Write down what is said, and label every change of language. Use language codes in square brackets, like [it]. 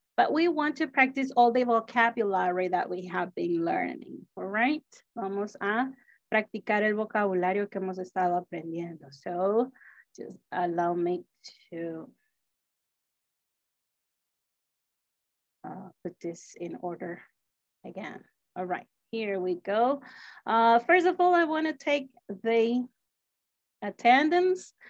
[en] But we want to practice all the vocabulary that we have been learning, all right? [es] Vamos a practicar el vocabulario que hemos estado aprendiendo. [en] So just allow me to put this in order again. All right, here we go. First of all, I want to take the attendance.